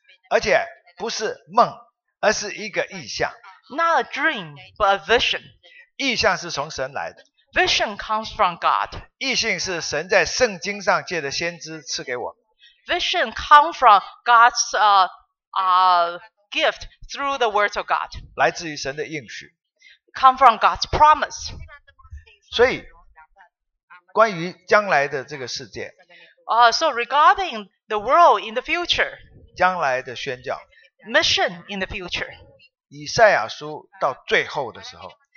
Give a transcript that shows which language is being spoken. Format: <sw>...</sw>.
<zh>而且不是梦，而是一个意向。</zh> <en>Not a dream but a vision.</en> <zh>意向是从神来的。</zh> <en>Vision comes from God.</en> <zh>意向是神在圣经上借着先知赐给我们。</zh> <en>Vision comes from God's gift through the words of God.</en> <zh>来自于神的应许。</zh> <en>Come from God's promise.</en> <zh>所以，关于将来的这个世界。</zh> <en>So regarding the world in the future.</en> <zh>将来的宣教。</zh> <en>Mission in the future.</en> <zh>以赛亚书到最后的时候。</zh>